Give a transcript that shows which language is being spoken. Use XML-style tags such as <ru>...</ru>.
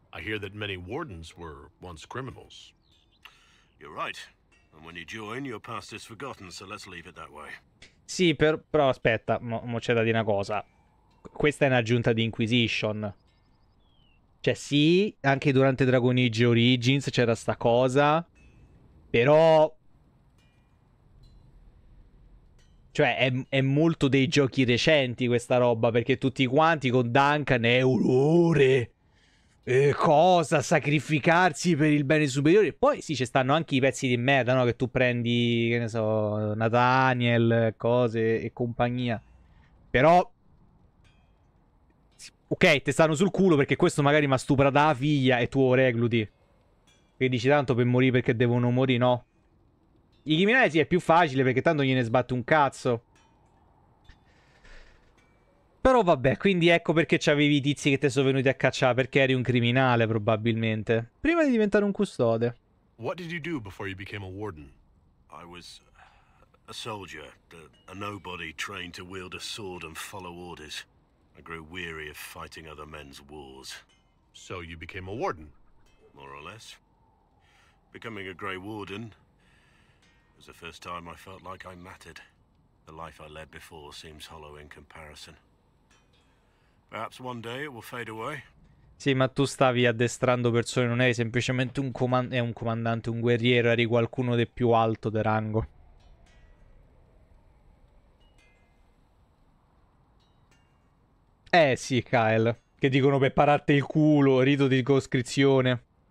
<en>I hear that many wardens were once criminals. You're right. And when you join, your past is forgotten, so let's leave it that way.</en> <it>Sì, però aspetta, mo c'è da dire una cosa. Questa è un'aggiunta di Inquisition. Cioè sì, anche durante Dragon Age Origins c'era sta cosa. Però... Cioè, è molto dei giochi recenti questa roba, perché tutti quanti con Duncan è un ore. Cosa? Sacrificarsi per il bene superiore? Poi sì, ci stanno anche i pezzi di merda, no? Che tu prendi, che ne so, Nathaniel, cose e compagnia. Però... Ok, te stanno sul culo perché questo magari mi ha stuprato la figlia e tu o recluti. Che dici tanto per morire perché devono morire, no? I criminali sì, è più facile perché tanto gliene sbatte un cazzo. Però vabbè, quindi ecco perché c'avevi i tizi che te sono venuti a cacciare, perché eri un criminale probabilmente. Prima di diventare un custode.</it> <en>What did you do before you became a warden? I was a soldier, a nobody trained to wield a sword and follow orders. I grew weary of fighting other men's wars. So you became a warden? More or less. Becoming a Grey Warden was the first time I felt like I mattered. The life I led before seems hollow in comparison. Perhaps one day it will fade away.</en> <it>Sì, ma tu stavi addestrando persone, non eri semplicemente un comandante, un guerriero, eri qualcuno di più alto di rango. Eh sì, Kyle, che dicono per pararti il culo, rito di coscrizione.</it>